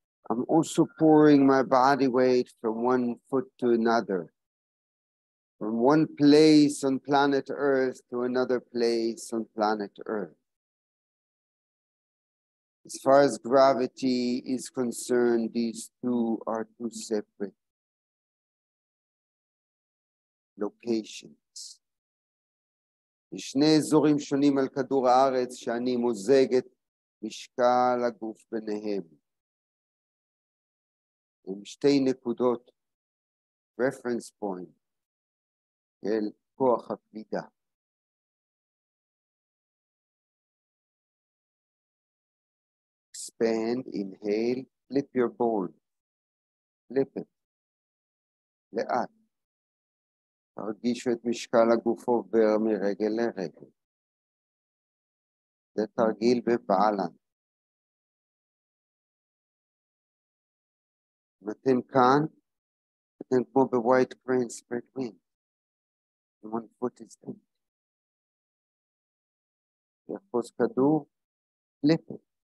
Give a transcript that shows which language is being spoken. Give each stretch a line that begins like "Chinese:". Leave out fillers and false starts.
English: I'm also pouring my body weight from one foot to another, from one place on planet Earth to another place on planet Earth. As far as gravity is concerned, these two are two separate locations.
Hebrew: ישני אזורים שונים על כדור הארץ שאני מוזג את משקל הגוף ביניהם. הם שתי נקודות,
English: reference point,
Hebrew: אל כוח הכבידה.
English: Expand, inhale, flip your bone. Flip it. לאט.
Hebrew: תרגישו את משקל הגוף עובר מרגל לרגל. זה תרגיל בבלנס. אם אתם כאן, אתם כמו ב-white crane spread wing.
English: One foot is down.
Hebrew: יחפוץ כדור,
English: flip it.